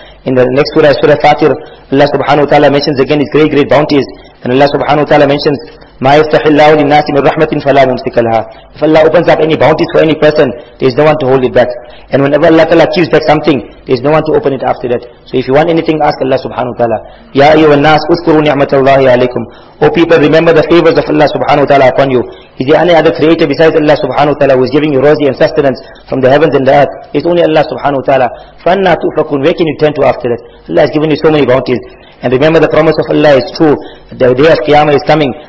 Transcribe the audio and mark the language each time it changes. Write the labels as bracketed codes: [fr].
[en] In the next surah, Surah Fatir, Allah subhanahu wa ta'ala mentions again his great, great bounties. And Allah subhanahu wa ta'ala mentions, [ar] ما يفتح الله للناس من رحمة فلا ممسك لها. [en] If Allah opens up any bounties for any person, there is no one to hold it back. And whenever Allah Ta'ala gives back something, there is no one to open it after that. So if you want anything, ask Allah subhanahu wa ta'ala. [ar] يا أيها الناس اذكروا نعمة الله عليكم. [en] O people, remember the favors of Allah subhanahu wa ta'ala upon you. Is there any other creator besides Allah subhanahu wa ta'ala who is giving you rosy and sustenance from the heavens and the earth? It's only Allah subhanahu wa ta'ala. [ar] فَأَنَّا تُؤْفَكُونَ. [en] Where can you turn to after that? Allah has given you so many bounties. And remember the promise of Allah is true. The day of Qiyamah is coming.